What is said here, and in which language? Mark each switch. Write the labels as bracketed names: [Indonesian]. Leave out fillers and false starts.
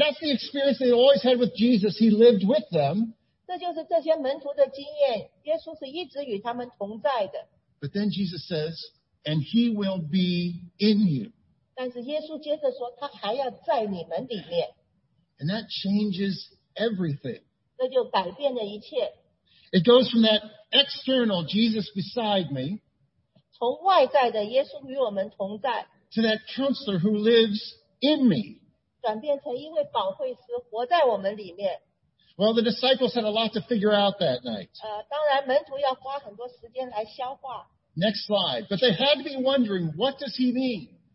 [English] that's the experience they always had with Jesus, he lived with them. [Chinese] 这就是这些门徒的经验,耶稣是一直与他们同在的。 [English] But then Jesus says, and he will be in you. [Chinese] 但是耶稣接着说,他还要在你们里面。 [English] And that changes everything. [Chinese] 这就改变了一切。 [English] It goes from that external Jesus beside me, [Chinese] 从外在的耶稣与我们同在。 [English] To that counselor who lives in me. [Chinese] 转变成一位保惠师活在我们里面。 [English] Well, the disciples had a lot to figure out that night. [Chinese] 当然门徒要花很多时间来消化。 [English] Next slide. But they had to be wondering, what does he mean?